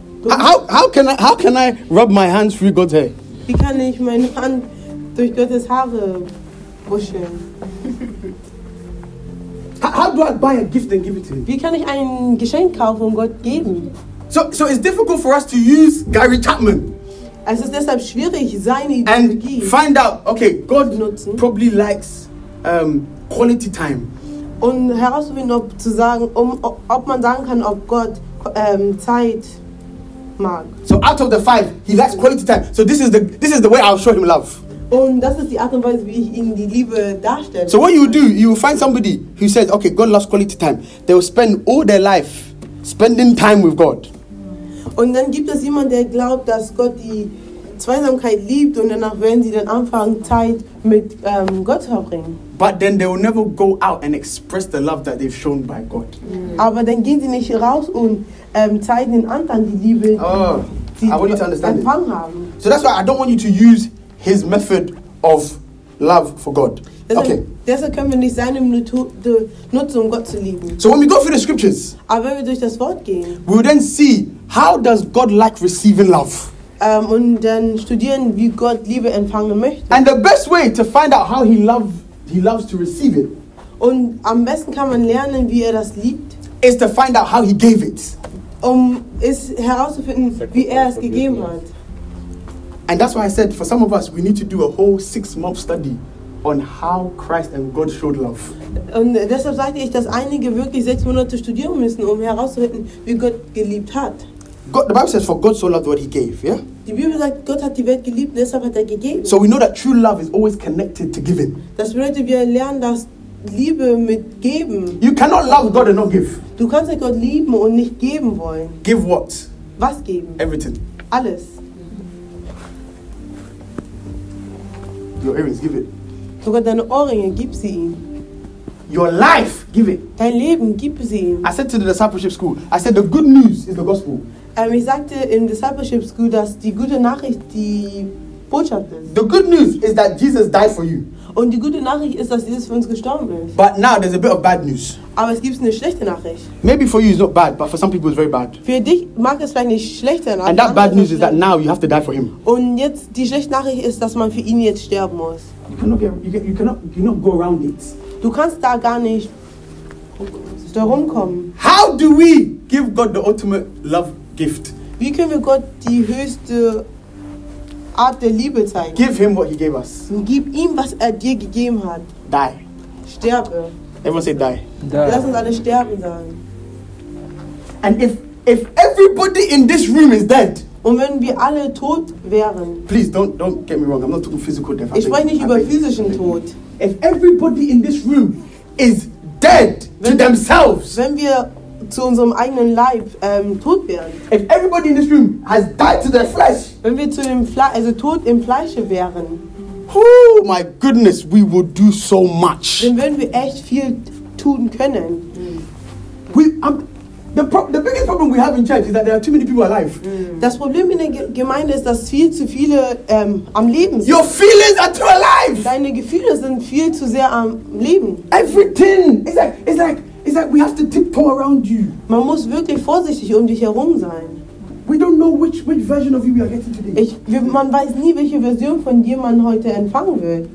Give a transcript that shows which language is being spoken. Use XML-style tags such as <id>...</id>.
<en>How can I rub my hands through God's hair?</en> <de>Wie kann ich meine Hand durch Gottes Haare wuscheln?</de> <en>How do I buy a gift and give it to him?</en> <de>Wie kann ich ein Geschenk kaufen und Gott geben?</de> <en>So it's difficult for us to use Gary Chapman.</en> <de>Es ist deshalb schwierig, seine Ideologie.</de> <en>And find out, okay, God</en> <de>nutzen.</de> <en>Probably likes quality time.</en> <de>Und herauszufinden, ob zu sagen, ob man sagen kann, ob Gott Zeit mag.</de> <en>So out of the five, he likes quality time. So this is the way I'll show him love.</en> <de>Und das ist die Art und Weise, wie ich ihnen die Liebe darstelle.</de> <en>So what you do, you find somebody who says, okay, God loves quality time. They will spend all their life spending time with God.</en> <de>Und dann gibt es jemanden, der glaubt, dass Gott die Zweisamkeit liebt und danach werden sie dann anfangen, Zeit mit Gott zu verbringen.</de> <en>But then they will never go out and express the love that they've shown by God. Mm.</en> <de>Aber dann gehen sie nicht raus und zeigen den anderen die Liebe, oh, die sie empfangen haben.</de> <en>So that's why I don't want you to use his method of love for God. Okay.</en> <de>Deshalb können wir nicht seine Methode nutzen, um Gott zu lieben.</de> <en>So when we go through the scriptures,</en> <de>aber wenn wir durch das Wort gehen,</de> <en>we will then see how does God like receiving love.</en> <de>Und dann studieren, wie Gott Liebe empfangen möchte.</de> <en>And the best way to find out how he loves to receive it.</en> <de>Und am besten kann man lernen, wie das liebt.</de> <en>Is to find out how he gave it.</en> <de>Ist herauszufinden, wie es gegeben hat.</de> <en>And that's why I said, for some of us, we need to do a whole six-month study on how Christ and God showed love.</en> <de>Und deshalb sagte ich, dass einige wirklich 6 Monate studieren müssen, um herauszufinden, wie Gott geliebt hat.</de> <en>God, the Bible says, for God so loved what he gave, yeah?</en> <de>Die Bibel sagt, Gott hat die Welt geliebt, deshalb hat gegeben.</de> <en>So we know that true love is always connected to giving.</en> <de>Das bedeutet, wir lernen, dass Liebe mit geben.</de> <en>You cannot love God and not give.</en> <de>Du kannst Gott lieben und nicht geben wollen.</de> <en>Give what?</en> <de>Was geben?</de> <en>Everything.</en> <de>Alles.</de> <en>Your earrings, give it.</en> <de>Sogar deine Ohrringe, gib sie ihm.</de> <en>Your life, give it.</en> <de>Dein Leben, gib sie ihm.</de> <en>I said to the discipleship school, I said the good news is the gospel.</en> <de>Ich sagte in discipleship school, dass die gute Nachricht die Botschaft ist.</de> <en>The good news is that Jesus died for you.</en> <de>Und die gute Nachricht ist, dass Jesus für uns gestorben ist.</de> <en>But now there's a bit of bad news.</en> <de>Aber es gibt eine schlechte Nachricht.</de> <en>Maybe for you it's not bad, but for some people it's very bad.</en> <de>Für dich mag es vielleicht nicht schlechter.</de> <en>And that bad news is that now you have to die for him.</en> <de>Und jetzt die schlechte Nachricht ist, dass man für ihn jetzt sterben muss.</de> <en>You cannot go around it.</en> <de>Du kannst da gar nicht darum kommen.</de> <en>How do we give God the ultimate love gift?</en> <de>Wie können wir Gott die höchste Art der Liebe zeigen?</de> <en>Give him what he gave us.</en> <de>Gib ihm, was dir gegeben hat.</de> <en>Die.</en> <de>Sterbe.</de> <en>Everyone say die. Die.</en> <de>Lass uns alle sterben sagen.</de> <en>And if everybody in this room is dead.</en> <de>Und wenn wir alle tot wären.</de> <en>Please don't get me wrong. I'm not talking physical death.</en> <de>Ich spreche nicht über physischen Tod.</de> <en>If everybody in this room is dead to themselves.</en> <de>Wenn wir zu unserem eigenen Leib tot wären.</de> <en>If everybody in this room has died to their flesh.</en> <de>Wenn wir zu dem also tot im Fleische wären.</de> <en>Oh my goodness, we would do so much.</en> <de>Dann würden wir echt viel tun können.</de> <en>The biggest problem we have in church is that there are too many people alive. Mm.</en> <de>Das Problem in der Gemeinde ist, dass viel zu viele am Leben sind.</de> <en>Your feelings are too alive.</en> <de>Deine Gefühle sind viel zu sehr am Leben.</de> <en>Everything. It's like we have to tiptoe around you.</en> <de>Man muss wirklich vorsichtig um dich herum sein.</de> <en>We don't know which version of you we are getting today.</en> <de>Man weiß nie, welche Version von dir man heute empfangen wird.</de>